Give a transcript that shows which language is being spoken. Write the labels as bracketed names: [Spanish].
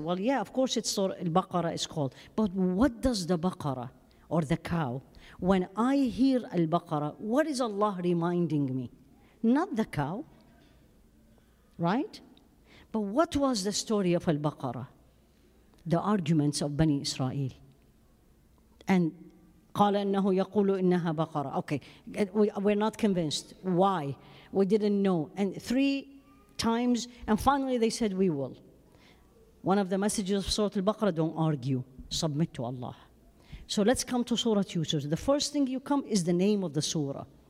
[English] Well, yeah, of course it's Surah Al-Baqarah is called. But what does the Baqarah or the cow, when I hear Al-Baqarah, what is Allah reminding me? Not the cow. Right? But what was the story of Al-Baqarah? The arguments of Bani Israel. And [Arabic] قَالَ أَنَّهُ يَقُولُ إِنَّهَا بَقَرَةٌ. [English] Okay, we're not convinced. Why? We didn't know. And three times, and finally they said, we will. One of the messages of Surah Al-Baqarah, don't argue, submit to Allah. So let's come to Surah Yusuf. The first thing you come is the name of the surah.